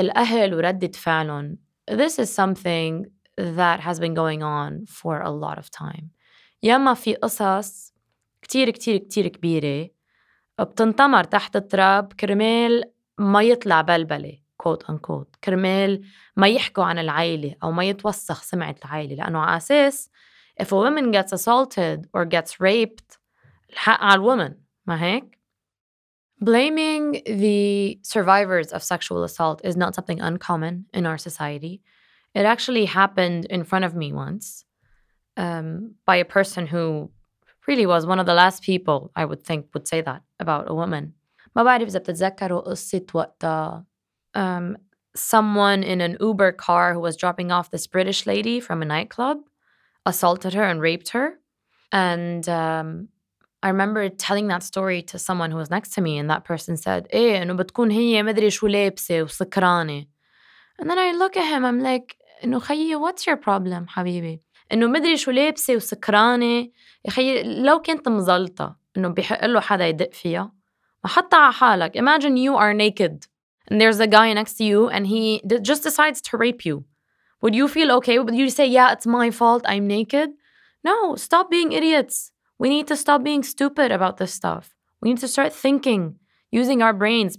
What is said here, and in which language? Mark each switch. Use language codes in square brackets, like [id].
[en] This is something that has been going on for a lot of time. [ar] Yama fi qisas كتير كتير كتير كبيرة بتنتمر تحت التراب كرمال ما يطلع بلبلة [en] quote unquote [ar] كرمال ما يحكوا عن العائلة أو ما يتوسخ سمعة العائلة لأنه على أساس [en] if a woman gets assaulted or gets raped [ar] الحق على الwoman ما هيك؟ [en] Blaming the survivors of sexual assault is not something uncommon in our society. It actually happened in front of me once by a person who really was one of the last people I would think would say that about a woman. [ar] ما بعرف إذا بتتذكروا قصة وقتا [en] someone in an Uber car who was dropping off this British lady from a nightclub assaulted her and raped her. And I remember telling that story to someone who was next to me and that person said, [ar] إيه إنه بتكون هي مدري شو لابسة وسكرانة. [en] And then I look at him, I'm like, [ar] إنه خيي, [en] what's your problem, [ar] حبيبي؟ إنه مدري شو لابسة وسكرانة يا خي لو كنت مزلطة إنه بيحق له حدا يدق فيها ما حطها على حالك. [en] Imagine you are naked and there's a guy next to you and he just decides to rape you. Would you feel okay? Would you say, yeah, it's my fault, I'm naked? No, stop being idiots. We need to stop being stupid about this stuff. We need to start thinking, using our brains.